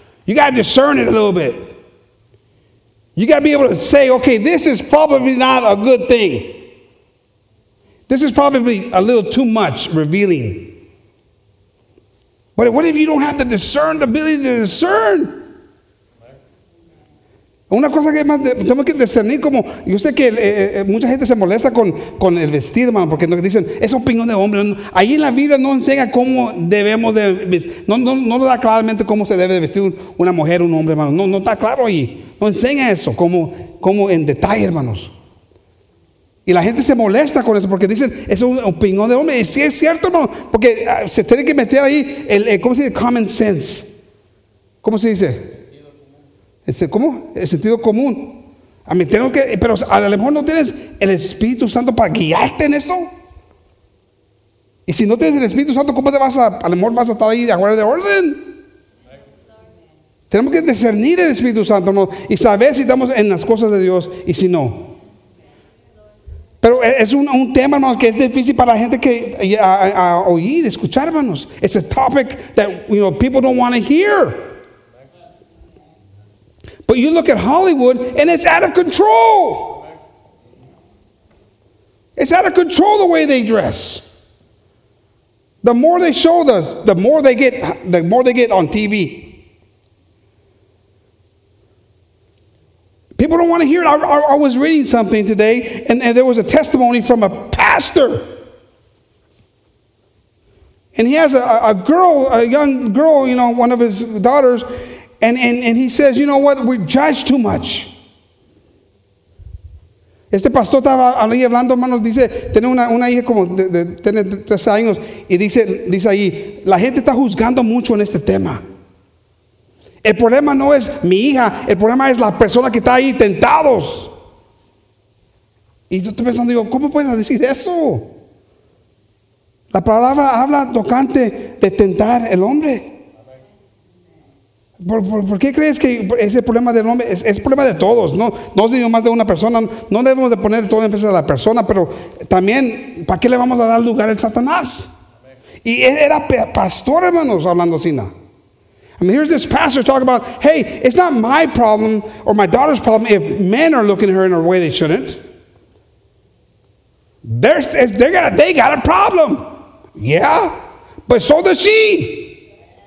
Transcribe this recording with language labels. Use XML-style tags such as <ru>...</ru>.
<en>You got to discern it a little bit. You got to be able to say, okay, this is probably not a good thing. This is probably a little too much revealing. But what if you don't have to discern the ability to discern?</en> <es>Una cosa que más tenemos que discernir, como yo sé que mucha gente se molesta con el vestido, hermano, porque dicen, es opinión de hombre. Ahí en la Biblia no enseña cómo debemos de vestir. No da claramente cómo se debe de vestir una mujer o un hombre, hermano. No está claro ahí. No enseña eso como en detalle, hermanos. Y la gente se molesta con eso porque dicen, es una opinión de hombre. Y sí es cierto, hermano, porque se tiene que meter ahí ¿cómo se dice?</es> <en>Common sense.</en> <es>¿Cómo se dice? ¿Cómo? El sentido común. A mí tengo que, pero a lo mejor no tienes el Espíritu Santo para guiarte en eso. Y si no tienes el Espíritu Santo, ¿cómo te vas a lo mejor vas a estar ahí de acuerdo de orden? Tenemos que discernir el Espíritu Santo, ¿no? Y saber si estamos en las cosas de Dios y si no. Pero es un tema, hermanos, que es difícil para la gente que a oír, escuchar, hermanos.</es> <en>It's a topic that, you know, people don't want to hear. But you look at Hollywood, and it's out of control. It's out of control the way they dress. The more they show us, the more they get on TV. People don't want to hear it. I was reading something today, and there was a testimony from a pastor. And he has a young girl, you know, one of his daughters. And he says, you know what, we judge too much.</en> <es>Este pastor estaba ahí hablando, hermanos, dice, tiene una hija como de 3 años, y dice ahí, la gente está juzgando mucho en este tema. El problema no es mi hija, el problema es la persona que está ahí tentados. Y yo estoy pensando, digo, ¿cómo puedes decir eso? La palabra habla tocante de tentar el hombre. ¿Por qué crees que ese problema del hombre es problema de todos? No es más de una persona. No debemos de poner todo en a la persona, pero también, ¿para qué le vamos a dar lugar al Satanás? Y era pastor, hermanos, hablando así.</es> <en>I mean, here's this pastor talking about, hey, it's not my problem or my daughter's problem if men are looking at her in a way they shouldn't. They got a problem. Yeah, but so does she.</en>